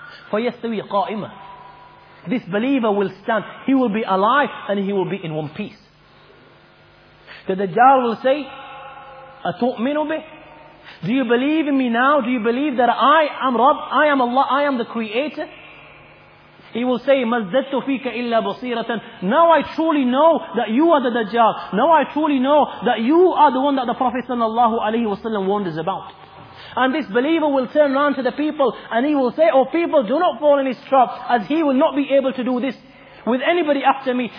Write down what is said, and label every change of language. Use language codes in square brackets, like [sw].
[ar] فَيَسْتَوِي قَائِمًا. [en] This believer will stand. He will be alive and he will be in one piece. The Dajjal will say, [ar] أَتُؤْمِنُ بِهِ? [en] Do you believe in me now? Do you believe that I am Rabb? I am Allah? I am the Creator? He will say, [ar] مَزَّدْتُ فِيكَ إِلَّا بَصِيرَةً. [en] Now I truly know that you are the Dajjal. Now I truly know that you are the one that the Prophet sallallahu alaihi wasallam warned us about. And this believer will turn around to the people and he will say, Oh people, do not fall in his trap, as he will not be able to do this with anybody after me.